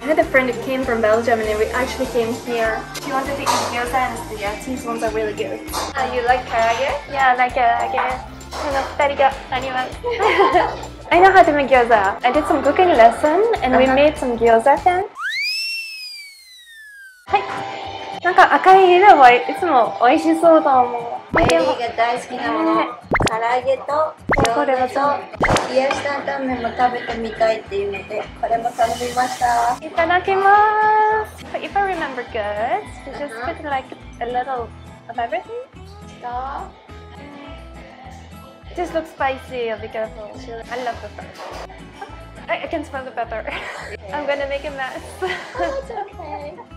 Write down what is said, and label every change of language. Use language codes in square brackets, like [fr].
[en] I had a friend who came from Belgium and we actually came here. She wanted to eat gyoza and the Japanese ones are really good. You like karaage? Yeah, I like karaage. [ja] この2人が [en] animals. I know how to make gyoza. I did some cooking lesson and we made some gyoza then. [ja] なんか赤い色はいつも美味しそうだもん。ベルギーが大好きなもの、唐揚げと餃子と冷やし担々麺も食べてみたいっていうので、これも頼みました。いただきます。 [en] But if I remember good, you just put like a little of everything. Stop. This looks spicy, I'll be careful. I love the pepper. I can smell the pepper. I'm gonna make a mess. Oh, it's okay.